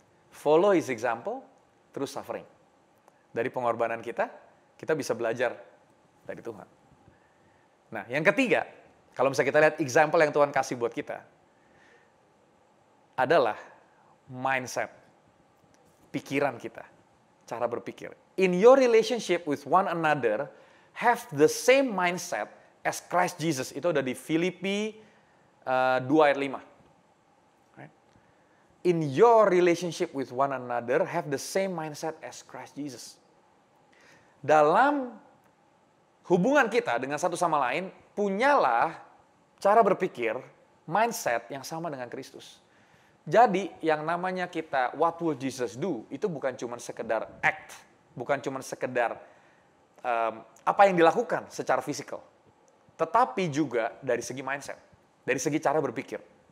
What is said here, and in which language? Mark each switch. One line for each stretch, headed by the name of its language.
English: Follow his example,
Indonesian: terus suffering. Dari pengorbanan kita, kita bisa belajar dari Tuhan. Nah, yang ketiga, kalau misalnya kita lihat example yang Tuhan kasih buat kita, adalah mindset, pikiran kita. cara berpikir.
English: In your relationship with one another, have the same mindset as Christ Jesus.
Indonesian: Itu ada di Filipi 2 ayat 5.
English: In your relationship with one another, have the same mindset as Christ Jesus.
Indonesian: Dalam hubungan kita dengan satu sama lain, punyalah cara berpikir, mindset yang sama dengan Kristus. Jadi yang namanya kita,
English: what will Jesus do,
Indonesian: itu bukan cuma sekedar act, bukan cuma sekedar apa yang dilakukan secara fisikal, tetapi juga dari segi mindset, dari segi cara berpikir.